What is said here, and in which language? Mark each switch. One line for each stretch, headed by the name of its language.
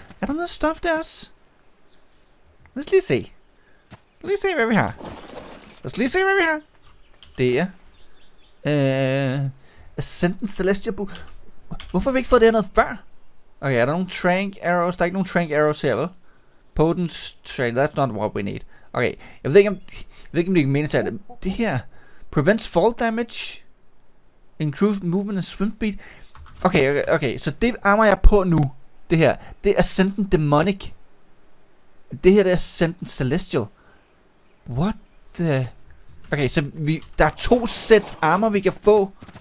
Danish: Er der noget stof der også? Lad os lige se, hvad vi har. Det er... Ascendant Celestia Book. Hvorfor har vi ikke fået det her noget før? Okay, er der nogle Trank Arrows? Der er ikke nogen Trank Arrows her, vel?
English: Potent Trank, that's not what we need.
Danish: Okay, jeg ved ikke, om det ikke mener til det her.
English: Prevents fall damage. Improves movement and swim speed.
Danish: Okay, så det armer jeg på nu. Det her, det er Ascendant Demonic. Det her, det er Ascendant Celestial.
English: What the...
Danish: Okay, så vi, der er to sets armor, vi kan få.